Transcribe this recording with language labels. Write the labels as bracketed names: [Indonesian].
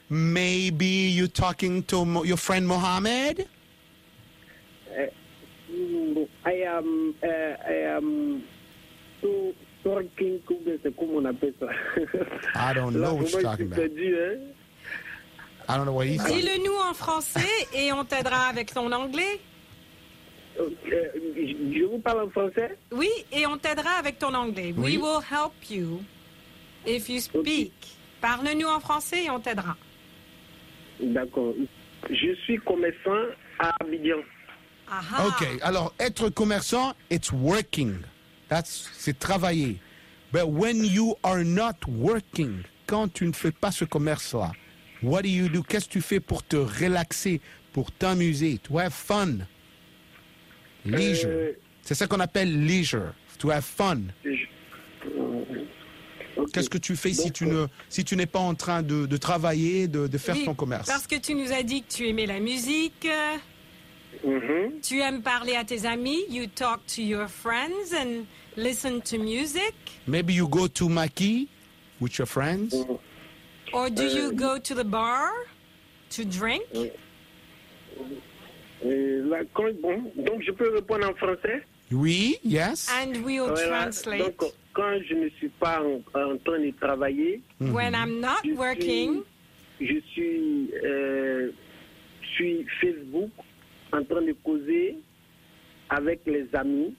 [English] Maybe you're talking to your friend Mohammed. I am Sorkin Kube, [French] c'est comment on appelle ça? [English] I don't know what you're talking about. [French] Dit, hein? [English] I don't know what he's saying. [French] Dis-le-nous en français et on t'aidera avec ton anglais. Je vous parle en français? Oui, et on t'aidera avec ton anglais. Oui. [English] We will help you if you speak. Okay. [French] Parle-nous en français et on t'aidera. D'accord. Je suis commerçant à Abidjan. Aha. OK. Alors, être commerçant, [English] it's working. That's, [French] c'est travailler. [English] But when you are not working, [French] quand tu ne fais pas ce commerce-là, [English] what do you do? [French] Qu'est-ce que tu fais pour te relaxer, pour t'amuser? [English] To have fun. Leisure. [French] C'est ça qu'on appelle leisure. [English] To have fun. Okay. [French] Qu'est-ce que tu fais si tu, ne, si tu n'es pas en train de travailler, de faire oui, ton commerce? Parce que tu nous as dit que tu aimais la musique. Mm-hmm. Tu aimes parler à tes amis. [English] You talk to your friends and listen to music. Maybe you go to Maki with your friends. Mm-hmm. Or do you go to the bar to drink? [French] Donc, je peux répondre en français? Oui, yes. [English] And we'll translate. [French] Donc, quand je ne suis pas en train de travailler, [English] mm-hmm. when I'm not je working, [French] suis, je suis sur Facebook en train de causer avec les amis